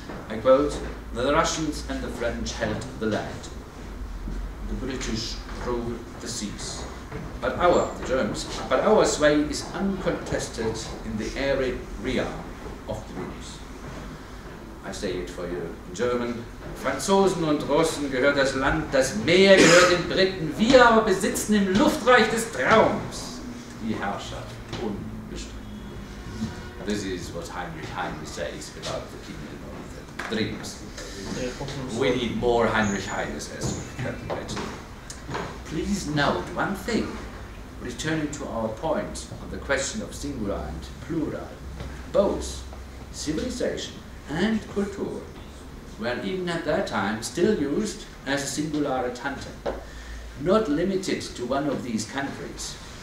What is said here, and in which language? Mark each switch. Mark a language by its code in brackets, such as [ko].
[en] I quote, the Russians and the French held the land. The British ruled the seas. But our sway is uncontested in the airy realm of the Venus. I say it for you in German. [de] Franzosen und Russen gehört das Land, das Meer gehört den Briten. Wir aber besitzen im Luftreich des Traums die Herrschaft unbestritten. [en] This is what Heinrich Heine says about the kingdom of the dreams. We need more Heinrich Heines, as we can imagine. Please note one thing, returning to our point on the question of singular and plural, both civilization and Kultur were even at that time still used as a singular tantum, not limited to one of these countries.